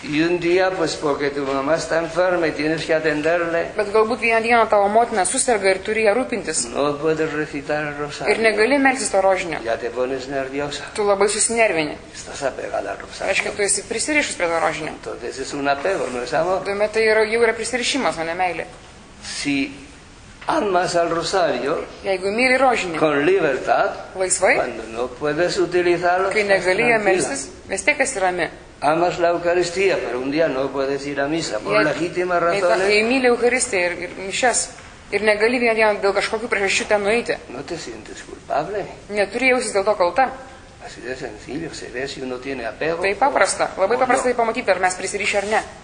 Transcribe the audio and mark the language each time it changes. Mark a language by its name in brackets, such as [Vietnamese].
[Spanish] Y un día, pues, porque tu mamá está enferma y tienes que atenderle. [Lithuanian] Bet galbūt vieną dieną tavo motina susirga ir turi ją rūpintis. [Spanish] No puedes recitar el rosario. [Lithuanian] Ir negali melstis to rožinio. [Spanish] Ya te pones nerviosa. [Lithuanian] Tu labai susinervini. [Spanish] Estás apegada al rosario. [Lithuanian] Aiškia, tu esi prisirišus prie to rožinio. [Spanish] Entonces es un apego, no es amor. [Lithuanian] Tuomet tai yra, jau yra prisirišimas, o ne meilė. [Spanish] Si amas al rosario, [Lithuanian] jeigu myli rožinį, [Spanish] con libertad, [Lithuanian] laisvai, [Spanish] cuando no puedes utilizarlo, [Lithuanian] kai negali ją melstis, vis tiek esi rami. [Spanish] Amas la Eucaristía, pero un día no puedes ir a misa, por legítimas razones. [Lithuanian] Jei myli Eucaristiją ir mišias, ir negali vieną dieną dėl kažkokių priežasčių ten nueiti. [Spanish] No te sientes culpable. [Lithuanian] Neturi jausis dėl to kalta. [Spanish] Así de sencillo, se ve si uno tiene apego. [Lithuanian] Tai paprasta, labai paprasta tai pamatyti, ar mes prisirišę ar ne.